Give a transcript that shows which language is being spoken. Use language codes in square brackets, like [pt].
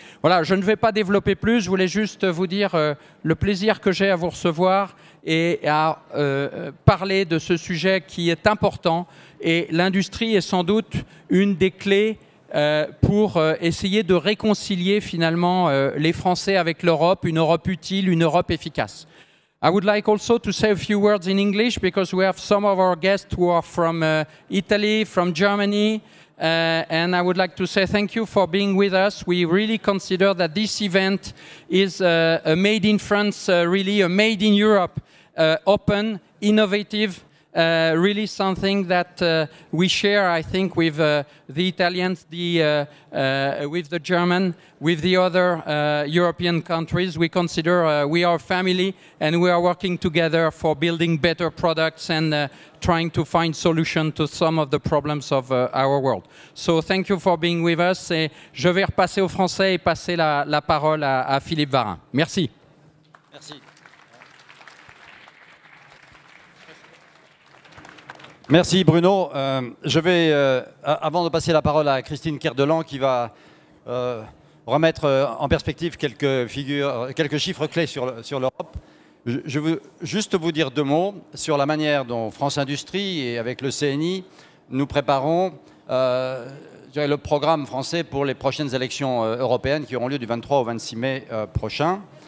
[fr] Voilà, je ne vais pas développer plus, je voulais juste vous dire le plaisir que j'ai à vous recevoir et à parler de ce sujet qui est important. Et l'industrie est sans doute une des clés pour essayer de réconcilier finalement les Français avec l'Europe, une Europe utile, une Europe efficace. [en] I would like also to say a few words in English because we have some of our guests who are from Italy, from Germany. And I would like to say thank you for being with us. We really consider that this event is a made in France, really a made in Europe, open, innovative, really something that we share, I think, with the Italians, with the German, with the other European countries. We consider we are a family and we are working together for building better products and trying to find solutions to some of the problems of our world. So thank you for being with us. [fr] Et je vais repasser aux Français et passer la parole à Philippe Varin. Merci. Merci. Merci Bruno. Je vais, avant de passer la parole à Christine Kerdelan qui va remettre en perspective quelques chiffres clés sur l'Europe, je veux juste vous dire deux mots sur la manière dont France Industrie et avec le CNI nous préparons le programme français pour les prochaines élections européennes qui auront lieu du 23 au 26 mai prochain.